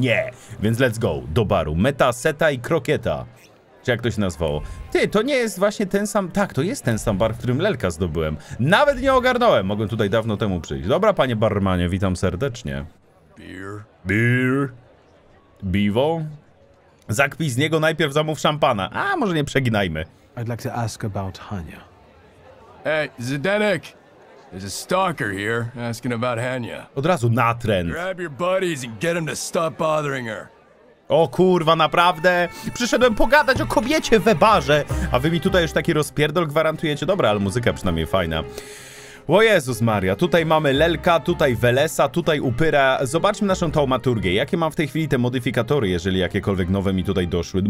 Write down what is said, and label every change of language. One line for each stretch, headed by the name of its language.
Polish: Nie! Więc
English: let's go,
Polish: do baru. Meta, seta i krokieta. Czy jak to się nazwało? Ty, to nie jest właśnie ten sam... Tak, to jest ten sam bar, w którym lelka zdobyłem. Nawet nie ogarnąłem, mogłem tutaj dawno temu przyjść. Dobra, panie barmanie, witam serdecznie.
English: Beer. Beer. Biwo?
Polish: Zakpij z niego, najpierw zamów szampana. A, może nie przeginajmy.
English: I'd like to ask about Hania.
Polish: Ej, Zdenek!
English: There's a stalker here, asking about Hania.
Polish: Od razu natręt.
English: Grab your buddies and get him to stop bothering her.
Polish: O kurwa, naprawdę? Przyszedłem pogadać o kobiecie we barze, a wy mi tutaj już taki rozpierdol gwarantujecie? Dobra, ale muzyka przynajmniej fajna. O Jezus Maria, tutaj mamy lelka, tutaj Velesa, tutaj upyra. Zobaczmy naszą taumaturgię. Jakie mam w tej chwili te modyfikatory, jeżeli jakiekolwiek nowe mi tutaj doszły?